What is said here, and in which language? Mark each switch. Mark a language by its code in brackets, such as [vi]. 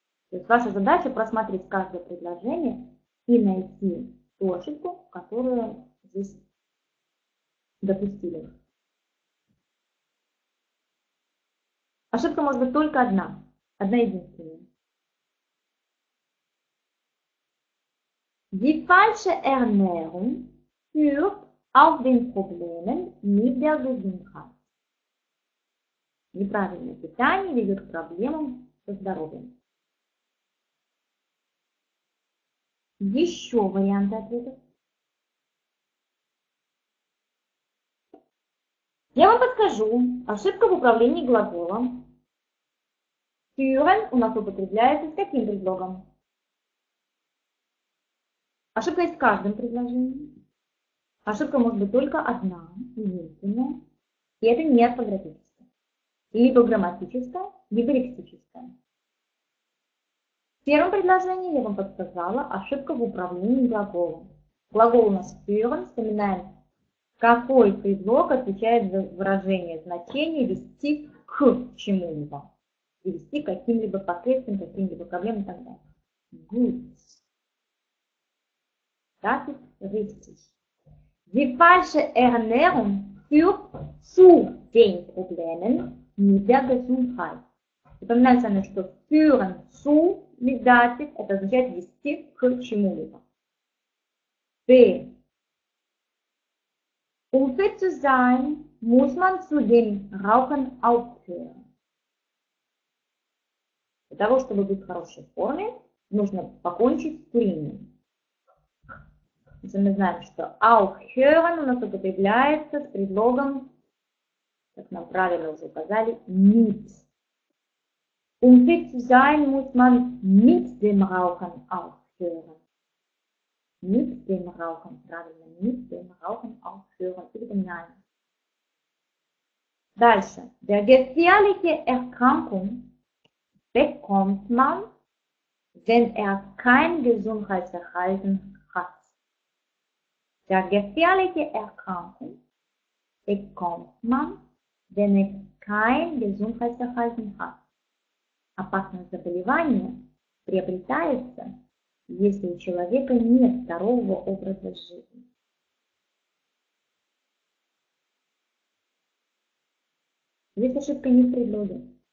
[ru] То есть ваша задача – просмотреть каждое предложение и найти ту ошибку, которую здесь допустили. Ошибка может быть только одна, одна единственная. [de] Die falsche Ernährung führt auf den Problemen mit der Gesundheit. [ru] Неправильное питание ведет к проблемам со здоровьем. Еще варианты ответов. Я вам подскажу. Ошибка в управлении глаголом. Führen у нас употребляется с каким предлогом? Ошибка есть в каждом предложении. Ошибка может быть только одна, единственная, и это не орфографическая. Либо грамматическая, либо лексическая. В первом предложении я вам подсказала ошибка в управлении глаголом. Глагол у нас führen, вспоминаем, какой предлог отвечает за выражение, значение вести к чему-либо. Вести к каким-либо последствиям, каким-либо проблемам и так далее. [de] Gut. Das ist richtig. Die falsche Ernährung führt zu den Problemen mit der Gesundheit. [ru] Напоминаю с вами, что [de] führen zu mit Datif, [ru] это означает вести к чему-либо. B. [de] Um fit zu sein, muss man zu dem Rauchen aufhören. [ru] Для того, чтобы быть в хорошей форме, нужно покончить с курением. Мы знаем, что aufhören у нас употребляется с предлогом, как нам правильно уже указали, mit. [de] Um fit zu sein, muss man mit dem Rauchen aufhören. Mit dem Rauchen, [ru] правильно, [de] mit dem Rauchen aufhören. Nein. [ru] Дальше. [de] Der gefährliche Erkrankung bekommt man, wenn kein Gesundheitsverhalten hat. Der gefährliche Erkrankung bekommt man, wenn kein Gesundheitsverhalten hat. [ru] Опасное заболевание приобретается, если у человека нет здорового образа жизни. Здесь ошибка не в предлоге.